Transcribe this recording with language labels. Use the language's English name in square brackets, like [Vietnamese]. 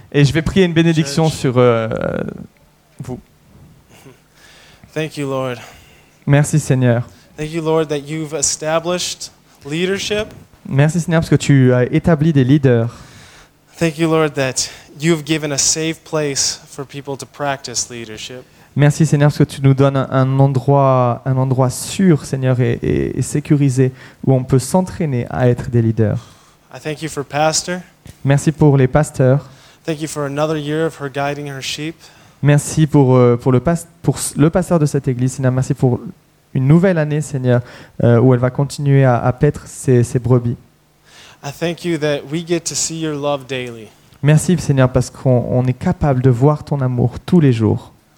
[French] Et je vais prier une bénédiction sur vous. [English] Thank you, Lord. [French] Merci, Seigneur. [English] Thank you, Lord, that you've established leadership. [French] Merci, Seigneur, parce que tu as établi des leaders. [English] Thank you, Lord, that you've given a safe place for people to practice leadership. [French] Merci, Seigneur, parce que tu nous donnes un endroit sûr, Seigneur, et sécurisé où on peut s'entraîner à être des leaders. [English] I thank you for pastor. [French] Merci pour les pasteurs. [English] Thank you for another year of her guiding her sheep. [French] Merci pour le pasteur de cette église, Seigneur. Merci pour une nouvelle année, Seigneur, où elle va continuer à paître ses brebis. [English] I thank you that we get to see your love daily. [French] Merci, Seigneur, parce qu'on est capable de voir ton amour tous les jours.